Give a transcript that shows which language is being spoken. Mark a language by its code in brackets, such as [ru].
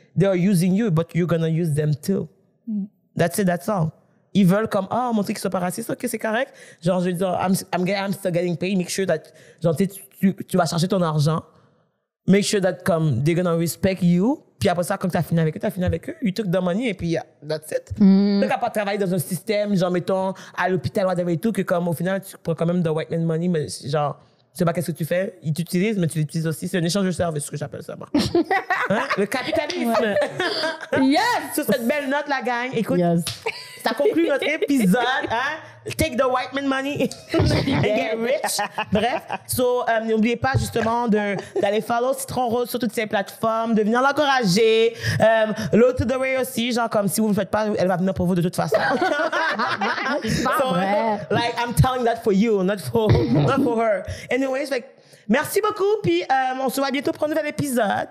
[en] They are using you, but you're gonna use them too. That's it, that's all. [fr] Ils veulent comme, ah, montrer qu'ils sont pas racistes, ok, c'est correct. Genre, je veux dire, [en] I'm still getting paid, make sure that, [fr] genre, tu vas chercher ton argent. [en] Make sure that come they're gonna respect you. [fr] Puis après ça, quand t'as fini avec eux, [en] you took the money [fr] et puis [en] that's it. [fr] Donc à pas travailler dans un système genre mettons à l'hôpital ou tout que comme au final tu prends quand même [en] the white man money [fr] mais genre je sais pas qu'est-ce que tu fais, ils t'utilisent mais tu l'utilises aussi. C'est un échange de services que j'appelle ça moi. Le capitalisme. [en] Yes. [fr] Sur cette belle note la gang, écoute, yes. Ça conclut notre épisode, hein. [en] Take the white man money and get rich. [fr] Bref, so, n'oubliez pas justement d'aller follow Citron Rose sur toutes ses plateformes, de venir l'encourager. L'autre The Way aussi, genre comme si vous ne le faites pas, elle va venir pour vous de toute façon. [en] So, like, I'm telling that for you, not for her. Anyways, like, [fr] merci beaucoup, puis on se voit bientôt pour un nouvel épisode.